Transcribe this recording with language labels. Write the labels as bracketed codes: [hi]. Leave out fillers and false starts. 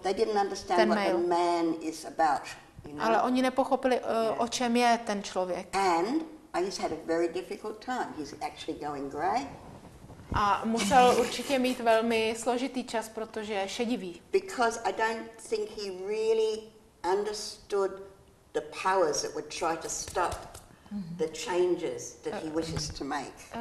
[en] They didn't understand what the man is about, [cs] Ale oni nepochopili, o čem je ten člověk. [en] And he's had a very difficult time. He's actually going gray. [cs] A musel určitě mít velmi složitý čas, protože je šedivý. [en] Because I don't think he really understood the powers that would try to stop the changes that he wishes to make.